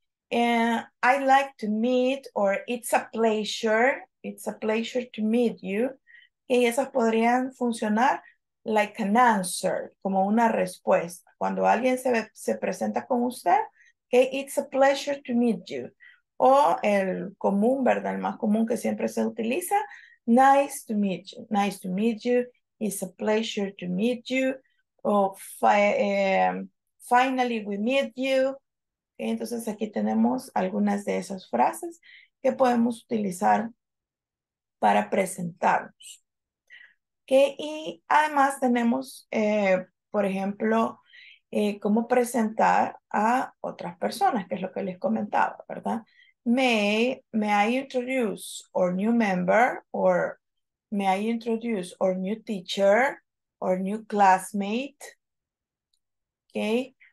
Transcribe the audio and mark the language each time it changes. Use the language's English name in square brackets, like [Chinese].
[English] And I like to meet, or it's a pleasure to meet you. [Spanish] Okay, esas podrían funcionar [English] like an answer, [Spanish] como una respuesta. Cuando alguien se presenta con usted, [English] okay, it's a pleasure to meet you. [Spanish] O el común, ¿verdad? El más común que siempre se utiliza, [English] nice to meet you, [Spanish] nice to meet you. [English] It's a pleasure to meet you. Finally, we meet you. [Spanish] Okay, entonces, aquí tenemos algunas de esas frases que podemos utilizar para presentarnos. Okay, y además tenemos, por ejemplo, cómo presentar a otras personas, que es lo que les comentaba, ¿verdad? [English] May I introduce our new member or may I introduce our new teacher, our new classmate, okay?